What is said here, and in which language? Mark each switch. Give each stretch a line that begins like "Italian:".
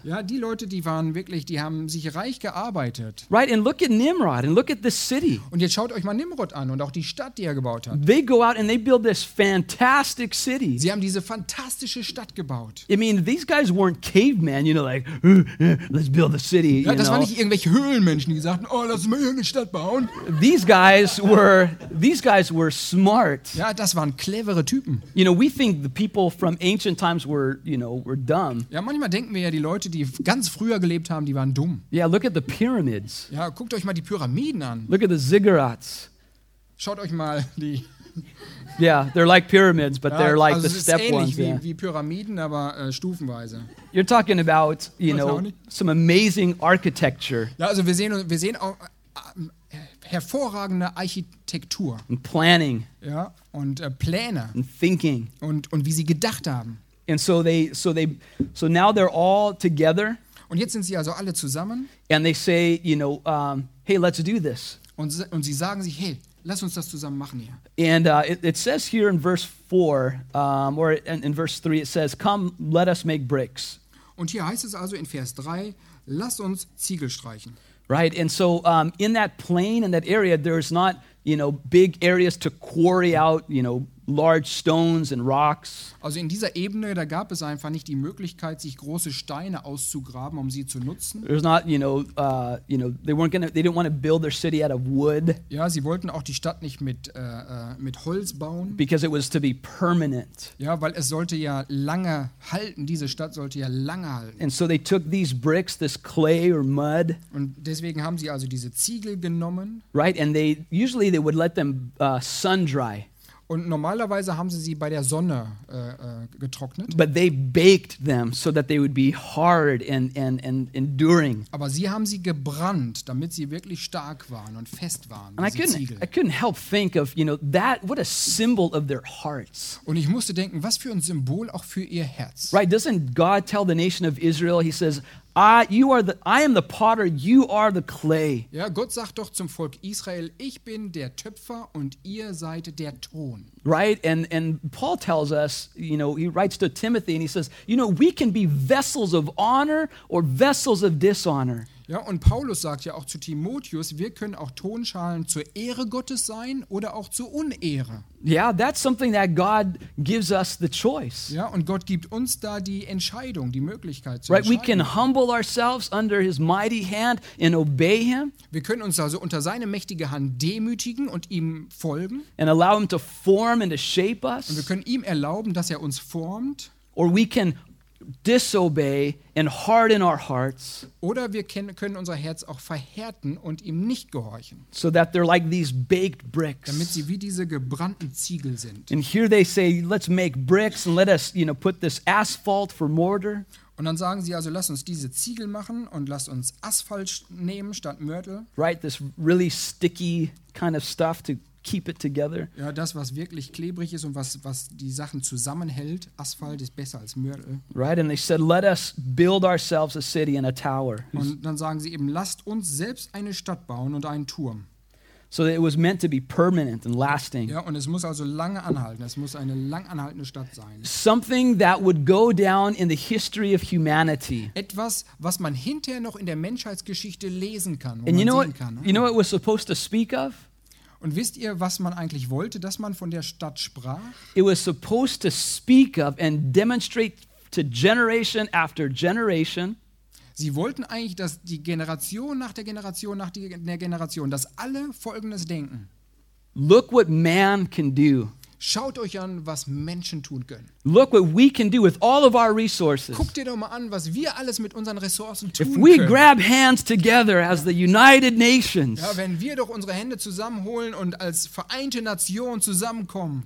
German: Ja, die Leute, die waren wirklich, die haben sich reich gearbeitet.
English: Right, and look at Nimrod, and look at this city.
German: Und jetzt schaut euch mal Nimrod an und auch die Stadt, die er gebaut hat.
English: They go out and they build this fantastic city.
German: Sie haben diese fantastische Stadt gebaut.
English: I mean, these guys weren't cavemen, you know, like, let's build a city,
German: ja,
English: you know.
German: Das waren nicht irgendwelche Höhlenmenschen, die sagten, oh, lass mal hier eine Stadt bauen.
English: These guys were smart.
German: Ja, das waren clevere Typen.
English: You know, we think the people from ancient times were, you know, were dumb.
German: Ja, manchmal denken wir ja, die Leute, die ganz früher gelebt haben, die waren dumm.
English: Yeah, look at the pyramids.
German: Ja, guckt euch mal die Pyramiden an.
English: Look at the ziggurats.
German: Schaut euch mal die.
English: Yeah, they're like pyramids, but ja, they're like
German: also
English: the step ones.
German: Also ist ähnlich ones, wie Pyramiden, aber stufenweise.
English: You're talking about, you know, some amazing architecture.
German: Ja, also wir sehen auch hervorragende Architektur.
English: And planning.
German: Ja, und Pläne.
English: And thinking.
German: Und wie sie gedacht haben.
English: And so now they're all together.
German: Und jetzt sind sie also alle zusammen.
English: And they say, you know, hey, let's do this.
German: Und sie sagen sich, hey, lass uns das zusammen machen hier.
English: And it says here in verse 4, or in verse 3, it says, come, let us make bricks.
German: Und hier heißt es also in Vers 3, lass uns Ziegel streichen.
English: Right, and so in that plain, in that area, there's not, you know, big areas to quarry out, you know, large stones and rocks.
German: Also in dieser Ebene, da gab es einfach nicht die Möglichkeit, sich große Steine auszugraben, um sie zu nutzen.
English: There's not, they didn't want to build their city out of wood.
German: Ja, sie wollten auch die Stadt nicht mit Holz bauen.
English: Because it was to be permanent.
German: Ja, weil es sollte ja lange halten. Diese Stadt sollte ja lange halten.
English: And so they took these bricks, this clay or mud.
German: Und deswegen haben sie also diese Ziegel genommen.
English: Right, and usually they would let them sun dry.
German: Und normalerweise haben sie bei der Sonne getrocknet.
English: But they baked them so that they would be hard and enduring.
German: Aber sie haben sie gebrannt, damit sie wirklich stark waren und fest waren.
English: And I couldn't help think of, you know, that what a symbol of their hearts.
German: Und ich musste denken, was für ein Symbol auch für ihr Herz.
English: Right, doesn't God tell the nation of Israel, he says, I am the potter, you are the clay.
German: Ja, Gott sagt doch zum Volk Israel, ich bin der Töpfer und ihr seid der Ton.
English: Right, and Paul tells us, you know, he writes to Timothy and he says, you know, we can be vessels of honor or vessels of dishonor.
German: Ja, und Paulus sagt ja auch zu Timotheus, wir können auch Tonschalen zur Ehre Gottes sein oder auch zur Unehre.
English: Yeah, that's something that God gives us the choice.
German: Ja, und Gott gibt uns da die Entscheidung, die Möglichkeit zu
English: right,
German: entscheiden.
English: We can humble ourselves under his mighty hand and obey him.
German: Wir können uns also unter seine mächtige Hand demütigen und ihm folgen.
English: And allow him to form and to shape us.
German: Und wir können ihm erlauben, dass er uns formt.
English: Or we can disobey and harden our hearts,
German: oder wir können unser Herz auch verhärten und ihm nicht gehorchen,
English: so that they're like these baked bricks,
German: damit sie wie diese gebrannten Ziegel sind.
English: And here they say, let's make bricks and let us, you know, put this asphalt for mortar.
German: Und dann sagen sie also, lass uns diese Ziegel machen und lass uns Asphalt nehmen statt Mörtel.
English: Right, this really sticky kind of stuff to keep it together.
German: Ja, das, was wirklich klebrig ist und was die Sachen zusammenhält, Asphalt ist besser als Mörtel.
English: Right, and they said, let us build ourselves a city and a tower.
German: Und dann sagen sie eben, lasst uns selbst eine Stadt bauen und einen Turm.
English: So it was meant to be permanent and lasting.
German: Ja, und es muss also lange anhalten. Es muss eine lang anhaltende Stadt sein.
English: Something that would go down in the history of humanity.
German: Etwas, was man hinterher noch in der Menschheitsgeschichte lesen kann, wo
English: and
German: man
English: you know
German: sehen
English: what,
German: kann.
English: You know what we're supposed to speak of?
German: Und wisst ihr, was man eigentlich wollte, dass man von der Stadt sprach?
English: It was supposed to speak of and demonstrate to generation after generation.
German: Sie wollten eigentlich, dass die Generation nach der Generation nach der Generation, dass alle Folgendes denken.
English: Look what man can do.
German: Schaut euch an, was Menschen tun können.
English: Look what we can do with all of our resources.
German: Guckt ihr doch mal an, was wir alles mit unseren Ressourcen tun können.
English: If we
German: können.
English: Grab hands together as the United Nations.
German: Ja, wenn wir doch unsere Hände zusammenholen und als vereinte Nation zusammenkommen.